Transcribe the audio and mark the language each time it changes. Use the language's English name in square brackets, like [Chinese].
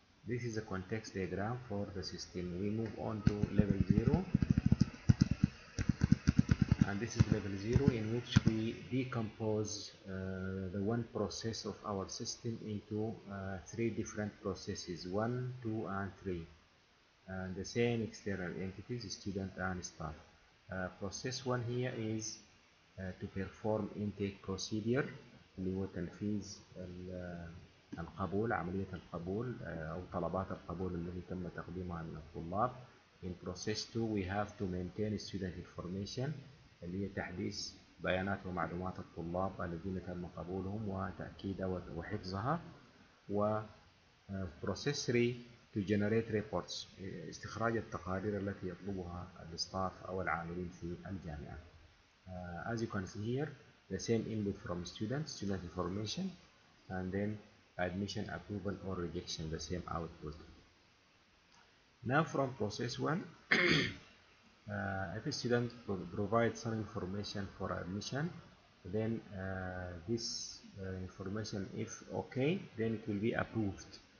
[English] This is a context diagram for the system. We move on to level zero, and this is level zero in which we decompose the one process of our system into three different processes, 1, 2, and 3. And the same external entities, student and staff. Process one here is to perform intake procedure، [Arabic] اللي هو تنفيذ القبول، عملية القبول أو طلبات القبول التي تم تقديمها من الطلاب. [English] In process two we have to maintain student information، [Arabic] اللي هي تحديث بيانات ومعلومات الطلاب الذين تم قبولهم وتأكيدها وحفظها. و [English] process three to generate reports، [Arabic] استخراج التقارير التي يطلبها الستاف أو العاملين في الجامعة. [English] As you can see here, the same input from students, student information, and then admission approval or rejection, the same output. Now from process one, if a student provides some information for admission, then this information, if okay, then it will be approved.